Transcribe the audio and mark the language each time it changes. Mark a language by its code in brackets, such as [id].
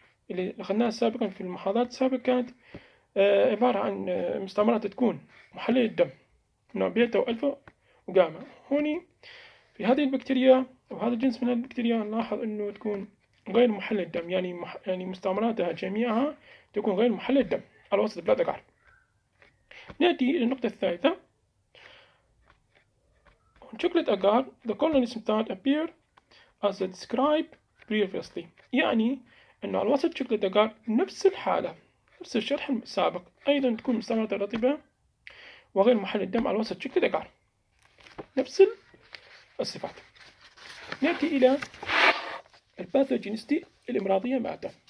[ar] اللي أخذناها سابقا في المحاضرات السابقة كانت عبارة عن مستعمرات تكون محللة الدم نوع بيتا وألفا وجاما. هوني في هذه البكتيريا أو هذا الجنس من البكتيريا نلاحظ أنه تكون غير محللة الدم، يعني يعني مستعمراتها جميعها تكون غير محللة الدم على وسط البلاد قعر. نأتي للنقطة الثالثة. [en] On chocolate agar, the colonies start appear as described previously. [ar] يعني أن على وسط chocolate agar نفس الحالة، نفس الشرح السابق، أيضا تكون مستعمرات رطبة وغير محل الدم على وسط chocolate agar. نفس الصفات. نأتي إلى الباثوجينستي الإمراضية مات.